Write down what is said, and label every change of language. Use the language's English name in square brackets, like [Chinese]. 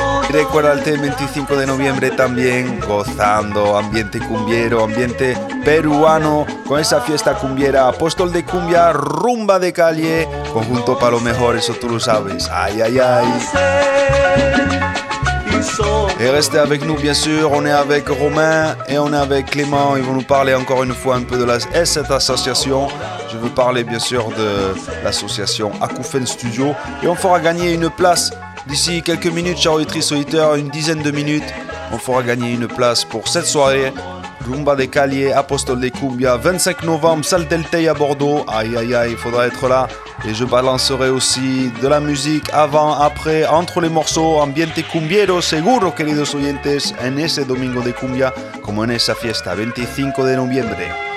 [Spanish] Recuerda el 25 de noviembre también, gozando, ambiente cumbiero, ambiente peruano, con esa fiesta cumbiera, apóstol de cumbia, rumba de calle, conjunto para lo mejor, eso tú lo sabes. Ay, ay, ay. [French] Et restez avec nous, bien sûr, on est avec Romain et on est avec Clément. Ils vont nous parler encore une fois un peu de la cette association. Je veux parler bien sûr de l'association Acouphène Studio. Et on fera gagner une place d'ici quelques minutes, chers auditrices, auditeurs, une dizaine de minutes. On fera gagner une place pour cette soirée. Rumba de Calié, Apostol de Cumbia, 25 novembre, salle Deltay à Bordeaux. Aïe, aïe, aïe, il faudra être là. Et je balancerai aussi de la musique avant, après, entre les morceaux. [Spanish] Ambiente cumbiero, seguro, queridos oyentes, en ese domingo de cumbia, como en esa fiesta, 25 de noviembre.